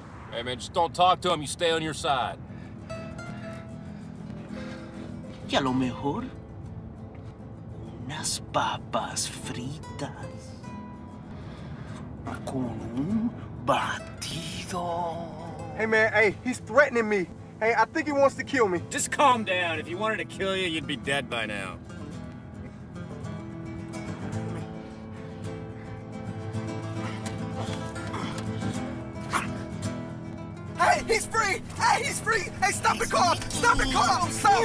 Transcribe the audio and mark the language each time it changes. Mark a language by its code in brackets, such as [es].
[en] Hey, man, just don't talk to him. You stay on your side. [es] Y a lo mejor, unas papas fritas con un batido. [en] Hey, man, hey, he's threatening me. Hey, I think he wants to kill me. Just calm down. If he wanted to kill you, you'd be dead by now. He's free! Hey, he's free! Hey, stop the car! Stop the car! Stop!